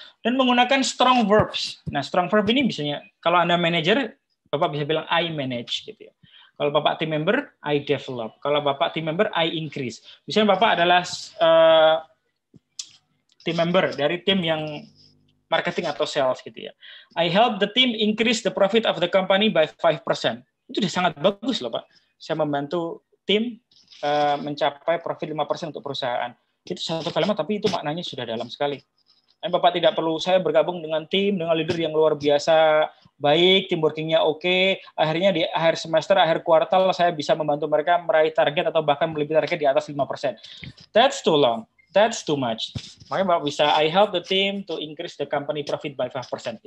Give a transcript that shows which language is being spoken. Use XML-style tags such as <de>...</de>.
<id>Dan menggunakan strong verbs. Nah, strong verb ini misalnya, kalau Anda manager, Bapak bisa bilang</id> <en>I manage,</en> <id>gitu, ya. Kalau Bapak</id> <en>team member, I develop. Kalau Bapak team member, I increase.</en> <id>Misalnya Bapak adalah team member dari tim yang marketing atau sales, gitu, ya.</id> <en>I help the team increase the profit of the company by 5%.</en> <id>Itu sudah sangat bagus, loh, Pak. Saya membantu tim mencapai profit 5% untuk perusahaan. Itu satu kalimat, tapi itu maknanya sudah dalam sekali. Dan Bapak tidak perlu, saya bergabung dengan tim, dengan leader yang luar biasa, baik, team working-nya oke, akhirnya di akhir semester, akhir kuartal, saya bisa membantu mereka meraih target atau bahkan melebihi target di atas 5%.</id> <en>That's too long. That's too much.</en> <id>Makanya Bapak bisa,</id> <en>I help the team to increase the company profit by 5%.</en>